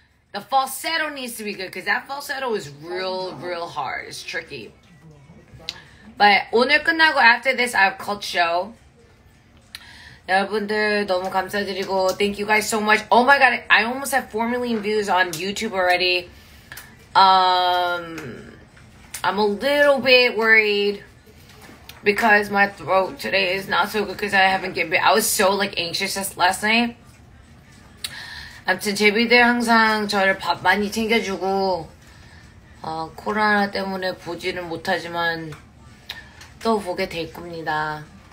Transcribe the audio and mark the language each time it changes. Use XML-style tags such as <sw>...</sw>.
<en>The falsetto needs to be good, because that falsetto is real, real hard. It's tricky. But</en> <ko>오늘 끝나고</ko> <en>after this, I have cult show.</en> <ko>여러분들 너무 감사드리고.</ko> <en>Thank you guys so much. Oh my god, I almost have 4 million views on YouTube already. I'm a little bit worried because my throat today is not so good because I haven't given. I was so like anxious just last night.</en> <ko>아무튼 제비들 항상 저를 밥 많이 챙겨주고 코로나 때문에 보지는 못하지만 또 보게 될 겁니다.</ko>